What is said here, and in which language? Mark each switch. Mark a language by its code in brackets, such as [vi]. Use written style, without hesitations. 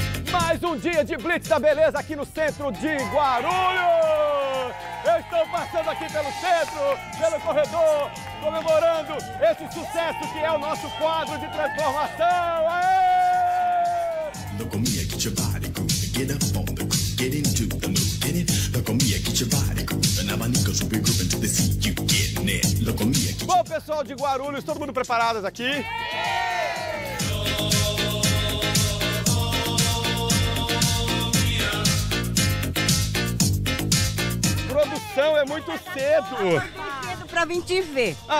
[pt] Mais um dia de Blitz da Beleza aqui no centro de Guarulhos. Eu estou passando aqui pelo centro, pelo corredor, comemorando esse sucesso que é o nosso quadro de transformação. Aê! [en] Look at me, get your body groove, get up on the groove, get into the mood, get it. Look at me, get your body groove, and now my niggas will be grooving to the seat, you get it. Look at me. [pt] Bom, pessoal de Guarulhos, todo mundo preparados aqui? Yeah! Produção, é muito cedo. É muito cedo pra vir te ver.